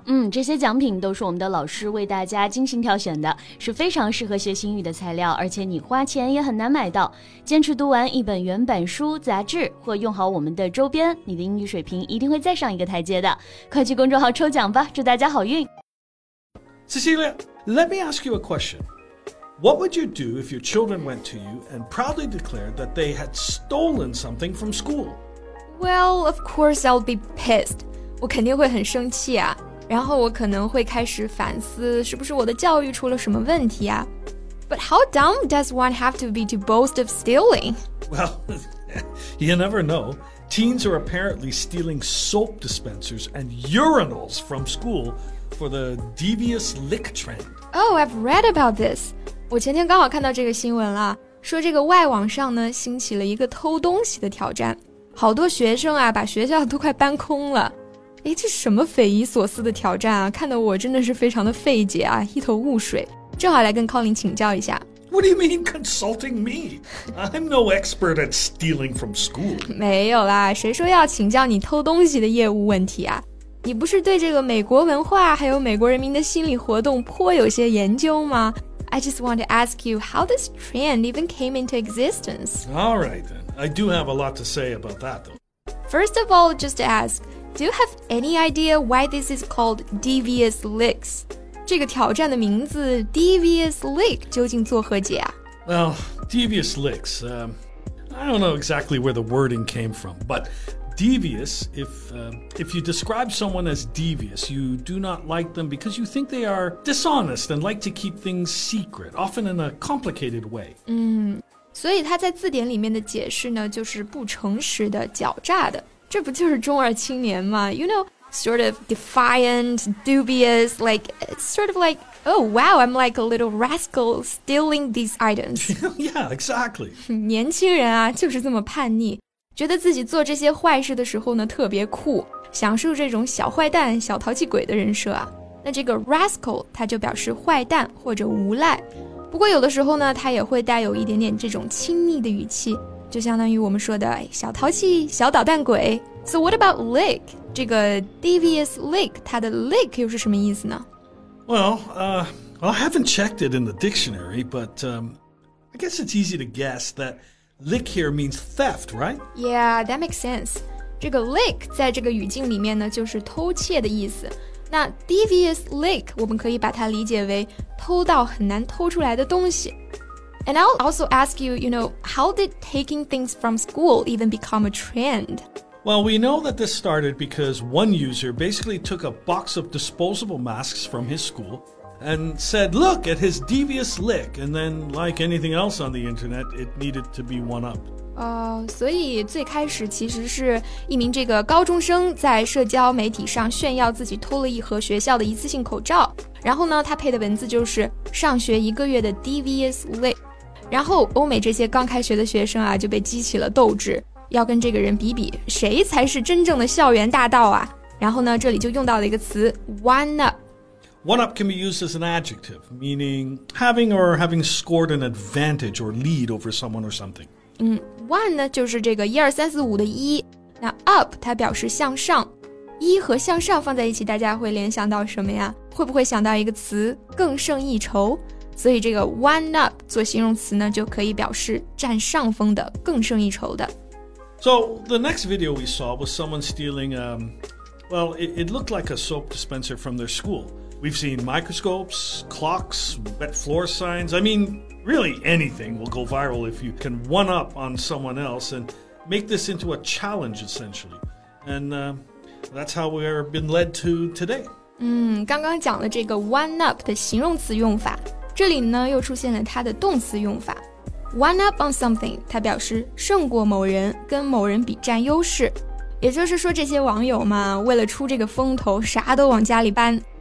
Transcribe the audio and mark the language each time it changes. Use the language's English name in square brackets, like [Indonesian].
[Chinese] 嗯，这些奖品都是我们的老师为大家精心挑选的，是非常适合学习英语的材料，而且你花钱也很难买到。坚持读完一本原版书、杂志或用好我们的周边，你的英语水平一定会再上一个台阶的。快去公众号抽奖吧，祝大家好运。 [English] Cecilia, let me ask you a question. What would you do if your children went to you and proudly declared that they had stolen something from school? Well, of course I'll be pissed. [Chinese] 我肯定会很生气啊。然后我可能会开始反思是不是我的教育出了什么问题啊。 [English] But how dumb does one have to be to boast of stealing? Well, you never know. Teens are apparently stealing soap dispensers and urinals from school for the devious lick trend. Oh, I've read about this. [Chinese] 我前天刚好看到这个新闻了，说这个外网上呢兴起了一个偷东西的挑战，好多学生啊把学校都快搬空了。诶，这什么匪夷所思的挑战啊，看得我真的是非常的费解啊，一头雾水，正好来跟 Colin 请教一下。 [English] What do you mean consulting me? I'm no expert at stealing from school. [Chinese] 没有啦，谁说要请教你偷东西的业务问题啊，你不是对这个美国文化还有美国人民的心理活动颇有些研究吗？ [English] I just want to ask you how this trend even came into existence. All right, then. I do have a lot to say about that, though. First of all, just to ask, do you have any idea why this is called Devious Licks? [Chinese] 这个挑战的名字 Devious Lick 究竟作何解啊？ [English] Well, Devious Licks, I don't know exactly where the wording came from, but devious, if you describe someone as devious, you do not like them because you think they are dishonest and like to keep things secret, often in a complicated way. [Chinese] 嗯，所以他在字典里面的解释呢，就是不诚实的、狡诈的。这不就是中二青年吗？ [English] You know, sort of defiant, dubious, like, it's sort of like, oh wow, I'm like a little rascal stealing these items. Yeah, exactly. [Chinese] 年轻人啊，就是这么叛逆。觉得自己做这些坏事的时候呢特别酷，享受这种小坏蛋小淘气鬼的人设啊。那这个 rascal 它就表示坏蛋或者无赖，不过有的时候呢它也会带有一点点这种亲昵的语气，就相当于我们说的小淘气小捣蛋鬼。 [English] So what about lick? [Chinese] 这个 devious lick 它的 lick 又是什么意思呢？ [English] Well, I haven't checked it in the dictionary, but I guess it's easy to guess thatLick here means theft, right? Yeah, that makes sense. [Chinese] 这个 lick 在这个语境里面呢就是偷窃的意思。那 devious lick 我们可以把它理解为偷到很难偷出来的东西。 [English] And I'll also ask you, you know, how did taking things from school even become a trend? Well, we know that this started because one user basically took a box of disposable masks from his schooland said, look at his devious lick, and then, like anything else on the internet, it needed to be one-upped. [Chinese] 所以最开始其实是一名这个高中生在社交媒体上炫耀自己偷了一盒学校的一次性口罩，然后呢，他配的文字就是上学一个月的 devious lick. 然后欧美这些刚开学的学生啊，就被激起了斗志，要跟这个人比比，谁才是真正的校园大盗啊。然后呢，这里就用到了一个词 one-up. [English] One-up can be used as an adjective, meaning having or having scored an advantage or lead over someone or something. [Chinese] One 呢就是这个一二三四五的一，那 up 它表示向上，一和向上放在一起，大家会联想到什么呀？会不会想到一个词更胜一筹？所以这个 one-up 做形容词呢，就可以表示占上风的、更胜一筹的。 [English] So the next video we saw was someone stealing, it looked like a soap dispenser from their school. We've seen microscopes, clocks, wet floor signs. I mean, really anything will go viral if you can one up on someone else and make this into a challenge, essentially. And that's how we've been led to today. [Chinese] 刚刚讲了这个 one up 的形容词用法，这里呢又出现了它的动词用法。 [English] One up on something, [Chinese] 它表示胜过某人，跟某人比占优势。也就是说这些网友嘛，为了出这个风头，啥都往家里搬。